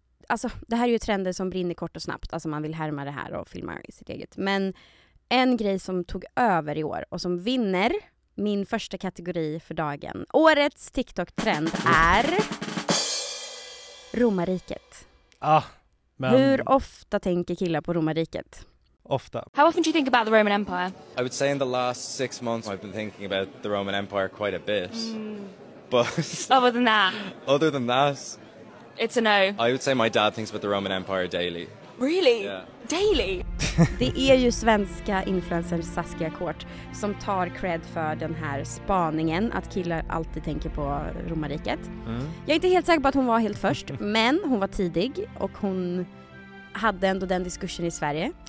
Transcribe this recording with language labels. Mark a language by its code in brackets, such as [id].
[sv] Alltså, det här är ju trender som brinner kort och snabbt. Alltså, man vill härma det här och filma i sitt eget. Men en grej som tog över i år och som vinner min första kategori för dagen. Årets TikTok-trend är... Romariket. Ah, men... Hur ofta tänker killar på Romariket? Ofta. [en] How often do you think about the Roman Empire? I would say in the last six months I've been thinking about the Roman Empire quite a bit. But other than that. Other than that. It's a no. I would say my dad thinks about the Roman Empire daily. Really? Yeah. Daily? [sv] Det är ju svenska influencer Saskia Kort som tar cred för den här spaningen att killar alltid tänker på Romariket. Mm. Jag är inte helt säker på att hon var helt först, men hon var tidig och hon hade ändå den diskussionen i Sverige.